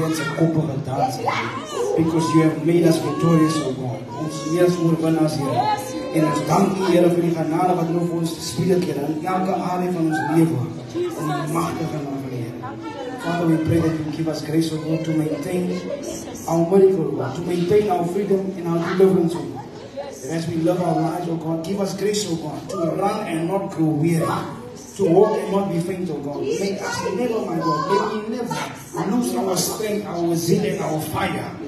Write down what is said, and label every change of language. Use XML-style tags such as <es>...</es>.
<en>Because you have made us victorious, O God.</en> <af>Ons Heers oorwin as Heer. En ons dank U, Heer, vir die genade wat nou vir ons gespreek het in elke area van ons lewe. In die magtige naam van Heer.</af> <en>Father, we pray that you give us grace, O God, to maintain our miracle, O God, to maintain our freedom and our deliverance, O God. And as we live our lives, O God, give us grace, O God, to run and not grow weary. To walk and not be faint, O God. Make us never, my God, may we never lose our strength, our zeal, and our fire.</en>